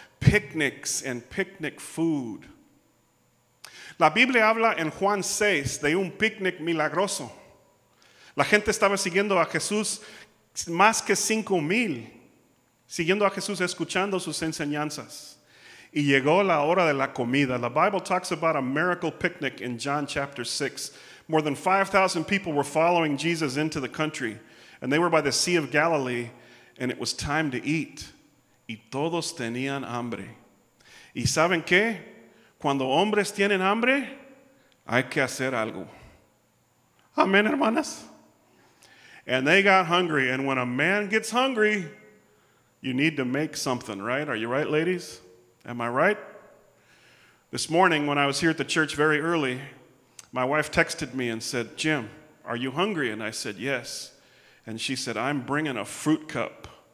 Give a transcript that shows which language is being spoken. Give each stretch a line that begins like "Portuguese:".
English: Picnics and picnic food.
Spanish: La Biblia habla en Juan 6 de un picnic milagroso. La gente estaba siguiendo a Jesús, más que 5,000 siguiendo a Jesús, escuchando sus enseñanzas. Y llegó la hora de la comida.
English: The Bible talks about a miracle picnic in John chapter 6. More than 5,000 people were following Jesus into the country, and they were by the Sea of Galilee, and it was time to eat.
Spanish: Y todos tenían hambre. ¿Y saben qué? Cuando hombres tienen hambre, hay que hacer algo. Amén, hermanas.
English: And they got hungry. And when a man gets hungry, you need to make something, right? Are you right, ladies? Am I right? This morning, when I was here at the church very early, my wife texted me and said, "Jim, are you hungry?" And I said, "Yes." And she said, "I'm bringing a fruit cup."